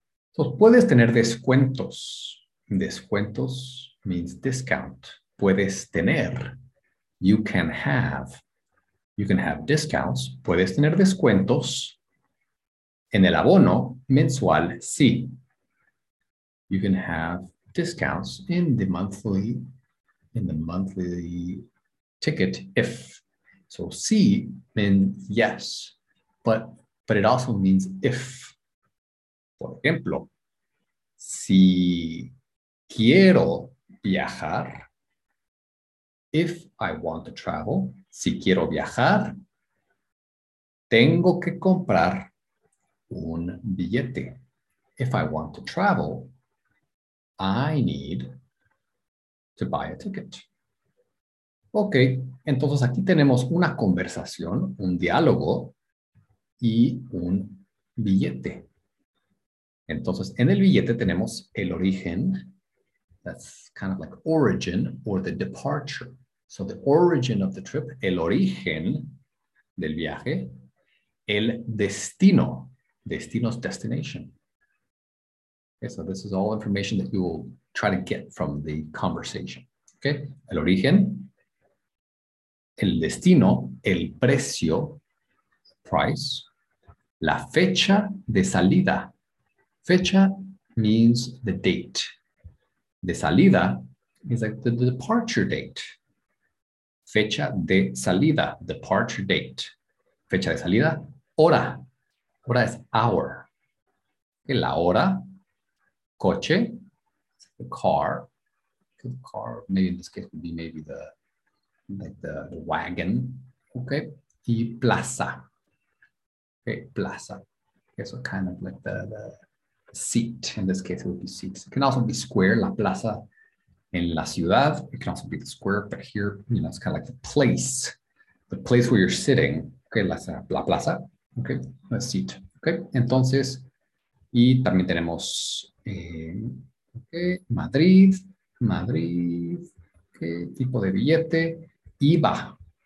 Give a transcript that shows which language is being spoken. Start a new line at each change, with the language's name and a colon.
Spanish: Entonces, puedes tener descuentos. Descuentos
English: means discount.
Spanish: Puedes tener.
English: You can have discounts.
Spanish: Puedes tener descuentos en el abono mensual, sí.
English: You can have discounts in the monthly ticket if. So sí means yes, but it also means if.
Spanish: Por ejemplo, si quiero viajar,
English: if I want to travel,
Spanish: si quiero viajar, tengo que comprar un billete.
English: If I want to travel, I need to buy a ticket.
Spanish: Ok, entonces aquí tenemos una conversación, un diálogo y un billete. Entonces, en el billete tenemos el origen,
English: that's kind of like origin or the departure. So the origin of the trip,
Spanish: el origen del viaje, el destino, destino es destination.
English: Okay, so this is all information that you will try to get from the conversation.
Spanish: Okay, el origen, el destino, el precio,
English: price,
Spanish: la fecha de salida.
English: Fecha means the date.
Spanish: De salida
English: is like the departure date.
Spanish: Fecha de salida,
English: departure date.
Spanish: Fecha de salida, hora. Hora es hour. La hora, coche,
English: the car, maybe in this case would be maybe the wagon.
Spanish: Okay. Y plaza. Okay, plaza.
English: Eso okay, kind of like the seat. In this case, it would be seats. It can also be square,
Spanish: la plaza. En la ciudad,
English: it can also be the square, but here, it's kind of like the place where you're sitting. Okay,
Spanish: la plaza.
English: Okay, a seat.
Spanish: Okay, entonces, y también tenemos okay, Madrid, Madrid, qué tipo de billete, IVA.